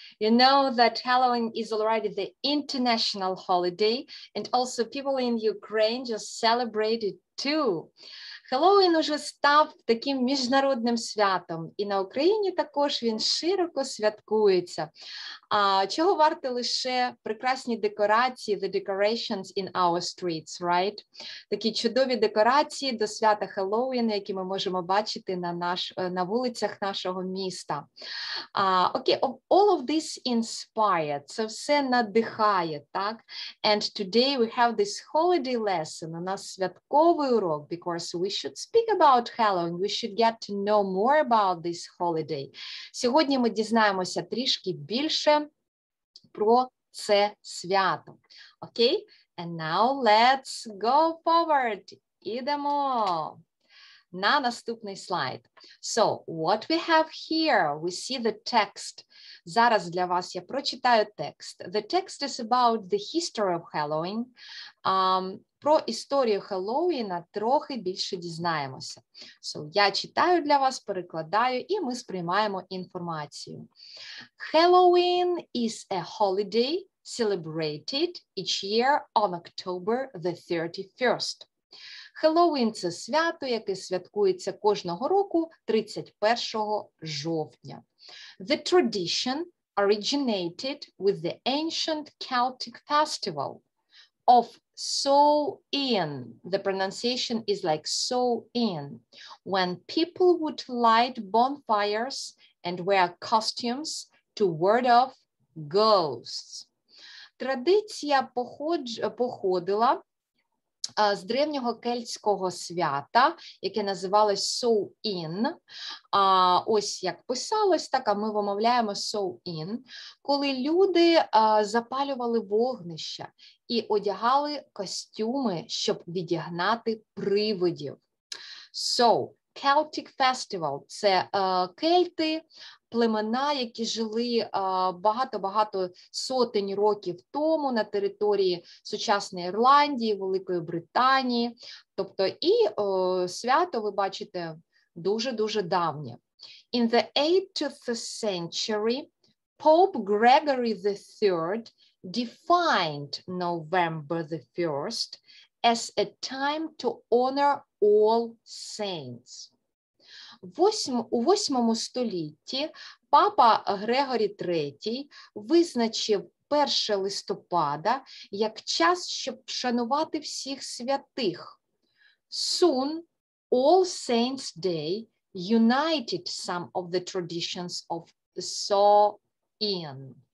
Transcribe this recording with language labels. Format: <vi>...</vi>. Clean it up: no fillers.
<en>You know that Halloween is already the international holiday, and also people in Ukraine just celebrate it too.</en> <uk>Halloween уже став таким міжнародним святом, і на Україні також він широко святкується. Чого варті лише прекрасні декорації,</uk> <en>the decorations in our streets, right?</en> <uk>Такі чудові декорації до свята Halloween, які ми можемо бачити на вулицях нашого міста.</uk> <en>All of this inspired,</en> <uk>це все надихає, так?</uk> <en>And today we have this holiday lesson,</en> <uk>у нас святковий урок,</uk> <en>because we should speak about Halloween, we should get to know more about this holiday.</en> <uk>Сьогодні ми дізнаємося трішки більше про це свято.</uk> <en>Okay, and now let's go forward.</en> <uk>Ідемо на наступний слайд.</uk> <en>So, what we have here, we see the text.</en> <uk>Зараз для вас я прочитаю текст.</uk> <en>The text is about the history of Halloween.</en> <uk>Про історію Хеллоуіна трохи більше дізнаємося. So, я читаю для вас, перекладаю, і ми сприймаємо інформацію.</uk> <en>Halloween is a holiday celebrated each year on October the 31st.</en> <uk>Хеллоуін – це свято, яке святкується кожного року 31 жовтня.</uk> <en>The tradition originated with the ancient Celtic festival of Samhain. The pronunciation is like Samhain, when people would light bonfires and wear costumes to ward off ghosts.</en> <uk>Традиція походила з древнього кельтського свята, яке називалось Samhain. Ось як писалось, так, а ми вимовляємо Samhain, коли люди запалювали вогнища і одягали костюми, щоб відігнати привидів. So, Celtic Festival – це кельти, племена, які жили багато-багато сотень років тому на території сучасної Ірландії, Великої Британії. Тобто і свято, ви бачите, дуже-дуже давнє.</uk> <en>In the 8th century, Pope Gregory III defined November the 1st as a time to honor all saints.</en> <uk>У 8 столітті папа Грегорі III визначив 1 листопада як час, щоб вшанувати всіх святих.</uk> <en>Soon, All Saints Day united some of the traditions of Samhain.</en>